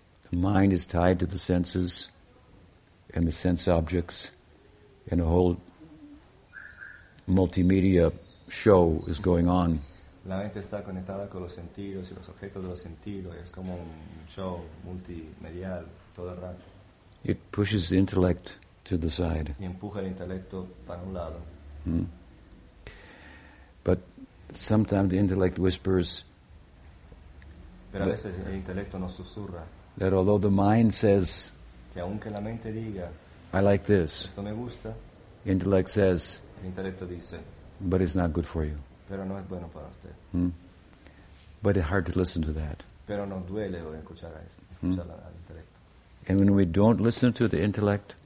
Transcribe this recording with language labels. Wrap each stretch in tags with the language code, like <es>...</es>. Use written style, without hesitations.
<en>The mind is tied to the senses and the sense objects, and a whole multimedia show is going on.</en> <es>La mente está conectada con los sentidos y los objetos de los sentidos. Es como un show multimedial todo el rato.</es> <en>It pushes the intellect to the side.</en> <es>Y empuja el intelecto para un lado.</es> <en>Hmm. But sometimes the intellect whispers</en> <es>pero a veces el intelecto nos susurra</es> <en>that although the mind says</en> <es>que aunque la mente diga,</es> <en>I like this</en> <es>esto me gusta,</es> <en>intellect says</en> <es>el intelecto dice,</es> <en>but it's not good for you</en> <es>pero no es bueno para usted.</es> <en>Hmm. But it's hard to listen to that</en> <es>pero no duele escuchar a esto, escuchar al intelecto.</es> <en>And when we don't listen to the intellect</en>